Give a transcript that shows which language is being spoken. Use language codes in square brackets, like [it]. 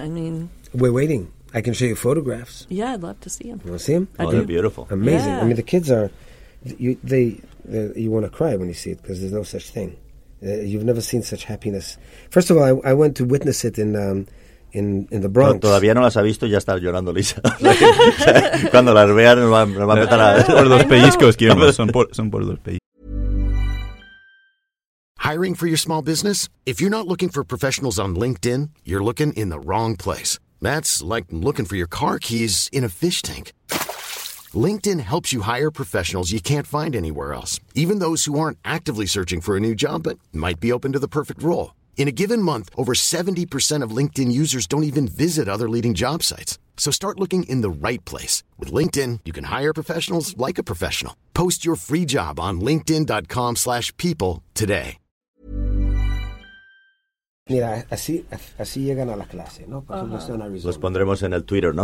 [en] I mean... We're waiting. I can show you photographs. Yeah, I'd love to see them. You want to see them? Oh, they're beautiful. Amazing. Yeah. I mean, the kids are... You want to cry when you see it, because there's no such thing. You've never seen such happiness. First of all, I went to witness it in the Bronx. [es] Todavía no las ha visto y ya está llorando Lisa. Cuando las vea, nos va a meter a... Por los pellizcos, Guillermo. Son por los pellizcos. [en] Hiring for your small business? If you're not looking for professionals on LinkedIn, you're looking in the wrong place. That's like looking for your car keys in a fish tank. LinkedIn helps you hire professionals you can't find anywhere else, even those who aren't actively searching for a new job but might be open to the perfect role. In a given month, over 70% of LinkedIn users don't even visit other leading job sites. So start looking in the right place. With LinkedIn, you can hire professionals like a professional. Post your free job on linkedin.com/people today. [es] Mira, así llegan a la clase, ¿no? Uh-huh. Los pondremos en el Twitter, ¿no?